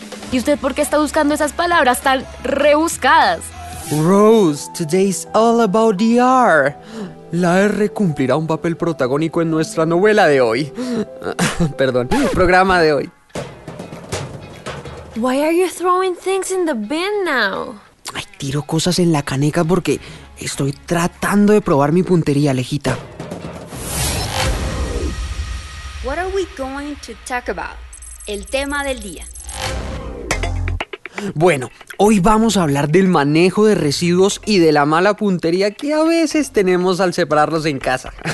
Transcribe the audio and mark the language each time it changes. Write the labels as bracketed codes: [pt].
[es] ¿Y usted por qué está buscando esas palabras tan rebuscadas? [en] Rose, today's all about the R. [es] La R cumplirá un papel protagónico en nuestra novela de hoy. Perdón, programa de hoy. [en] Why are you throwing things in the bin now? [es] Ay, tiro cosas en la caneca porque estoy tratando de probar mi puntería, Alejita. [en] What are we going to talk about? [es] El tema del día. Bueno, hoy vamos a hablar del manejo de residuos y de la mala puntería que a veces tenemos al separarlos en casa.